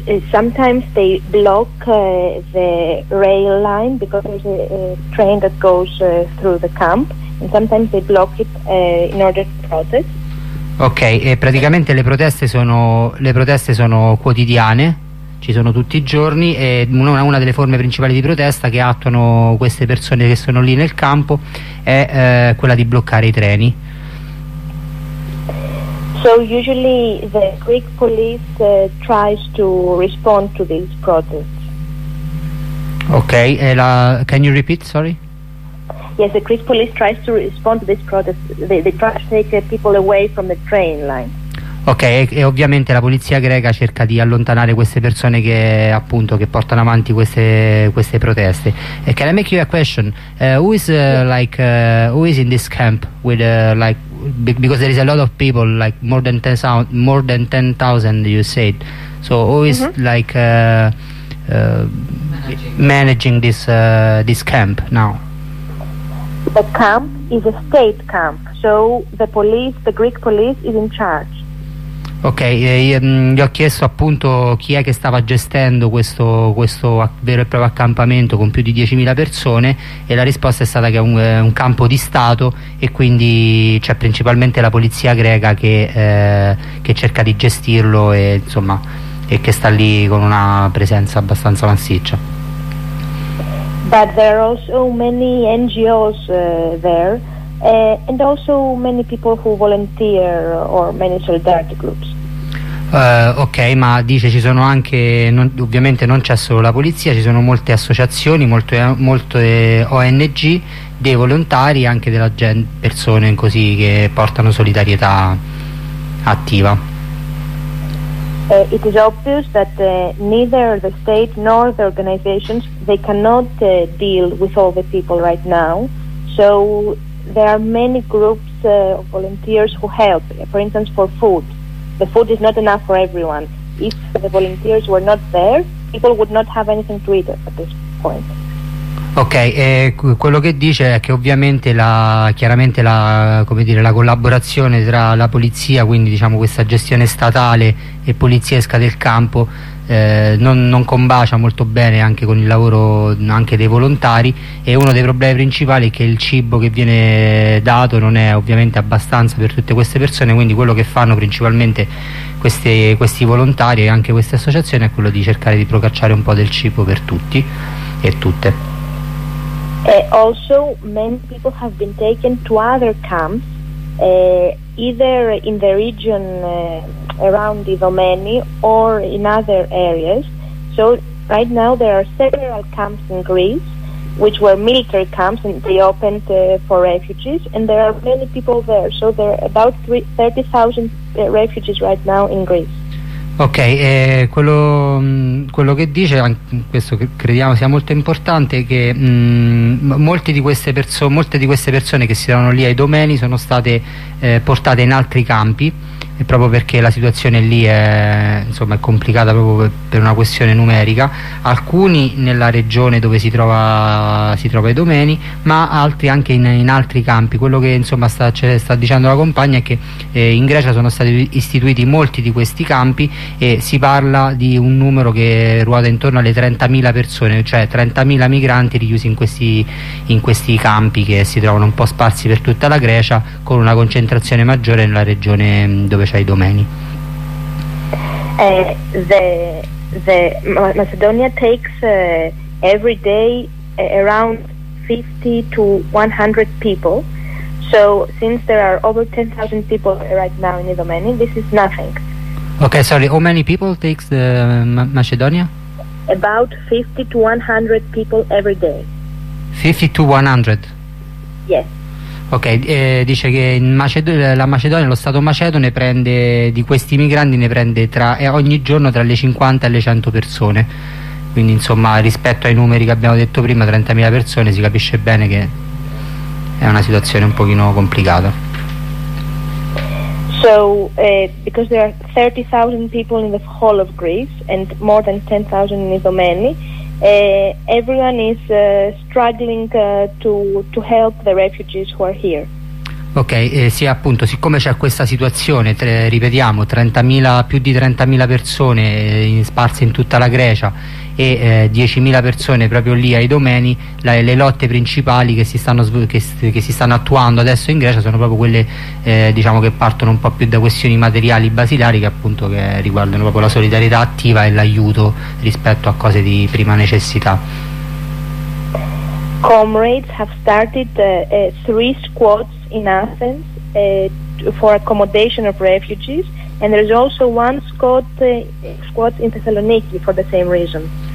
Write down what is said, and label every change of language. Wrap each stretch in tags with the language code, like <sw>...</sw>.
<en>Sometimes they block the rail line because there's a train that goes through the camp, and sometimes they block it in order to protest.</en> <it>Ok, e praticamente le proteste sono quotidiane, ci sono tutti i giorni, è una delle forme principali di protesta che attuano queste persone che sono lì nel campo, è quella di bloccare i treni.</it> <en>So usually the Greek police tries to respond to these protests. Okay, can you repeat, sorry? Yes, the Greek police tries to respond to this protest. They try to take people away from the train line.</en> <it>Ok, e ovviamente la polizia greca cerca di allontanare queste persone che appunto che portano avanti queste proteste.</it> <en>Can I make you a question? Who is who is in this camp with because there is a lot of people, like more than 10,000 you said. So who is managing this camp now? The camp is a state camp. So the Greek police is in charge.</en> <it>Ok, gli ho chiesto appunto chi è che stava gestendo questo vero e proprio accampamento con più di 10.000 persone e la risposta è stata che è un campo di Stato e quindi c'è principalmente la polizia greca che cerca di gestirlo e insomma e che sta lì con una presenza abbastanza massiccia.</it> <en>But there are also many NGOs there. And also many people who volunteer or many solidarity groups.</en> <it>Ok, ma dice ci sono anche, ovviamente non c'è solo la polizia, ci sono molte associazioni, molte ONG, dei volontari, anche della persone così che portano solidarietà attiva.</it> <en>It is obvious that neither the state nor the organizations, they cannot deal with all the people right now, so there are many groups of volunteers who help, for instance for food. The food is not enough for everyone. If the volunteers were not there, people would not have anything to eat at this point.</en> <it>Ok, quello che dice è che ovviamente la collaborazione tra la polizia, quindi diciamo questa gestione statale e poliziesca del campo non combacia molto bene anche con il lavoro anche dei volontari e uno dei problemi principali è che il cibo che viene dato non è ovviamente abbastanza per tutte queste persone, quindi quello che fanno principalmente questi volontari e anche queste associazioni è quello di cercare di procacciare un po' del cibo per tutti e tutte.</it> <en>Also many people have been taken to other camps either in the region around Idomeni or in other areas. So right now there are several camps in Greece which were military camps and they opened for refugees and there are many people there. So there are about 30,000 refugees right now in Greece.</en> <it>Ok, quello che dice, questo crediamo sia molto importante, è che molte di queste persone che si trovano lì ai domeni sono state portate in altri campi, proprio perché la situazione lì è complicata proprio per una questione numerica, alcuni nella regione dove si trova ai domeni, ma altri anche in altri campi. Quello che insomma sta dicendo la compagna è che in Grecia sono stati istituiti molti di questi campi e si parla di un numero che ruota intorno alle 30.000 persone, cioè 30.000 migranti richiusi in questi campi che si trovano un po' sparsi per tutta la Grecia, con una concentrazione maggiore nella regione dove c'è i domeni.</it> <en>The Macedonia takes every day around 50 to 100 people. So since there are over 10,000 people right now in Idomeni, this is nothing. Okay, sorry. How many people takes the Macedonia? About 50 to 100 people every day. 50 to 100. Yes.</en> <it>Ok, dice che in la Macedonia, lo Stato macedone prende di questi migranti ne prende ogni giorno tra le 50 e le 100 persone. Quindi, insomma, rispetto ai numeri che abbiamo detto prima, 30.000 persone, si capisce bene che è una situazione un pochino complicata.</it> <en>So, because there are 30,000 people in the whole of Greece and more than 10,000 in Idomeni, everyone is struggling to help the refugees who are here.</en> <it>Ok, sì, appunto, siccome c'è questa situazione, ripetiamo, più di 30.000 persone sparse in tutta la Grecia e 10.000 persone proprio lì a Idomeni. Le lotte principali che si stanno attuando adesso in Grecia sono proprio quelle diciamo che partono un po' più da questioni materiali basilari, che appunto che riguardano proprio la solidarietà attiva e l'aiuto rispetto a cose di prima necessità.</it> <en>Comrades have started three squads in Athens for accommodation of refugees, and there is also one squad in Thessaloniki for the same reason.</en>